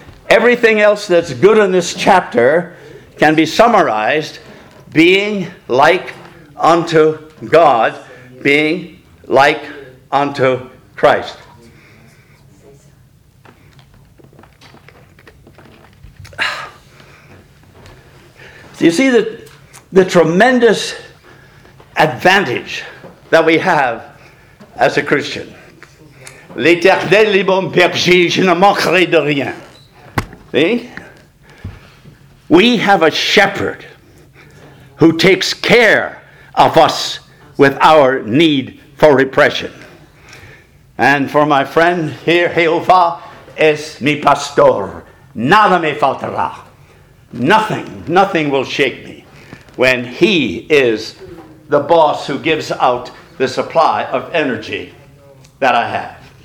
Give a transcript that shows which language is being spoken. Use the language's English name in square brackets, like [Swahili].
[English] Everything else that's good in this chapter can be summarized being like unto God, being like unto Christ. So you see the tremendous advantage that we have as a Christian. [French] L'éternel est mon berger, je ne manquerai de rien. [English] See? We have a shepherd who takes care of us with our need for repression. And for my friend here, [Spanish] Jehovah es mi pastor. Nada me faltará. [English] Nothing will shake me when he is the boss who gives out the supply of energy that I have.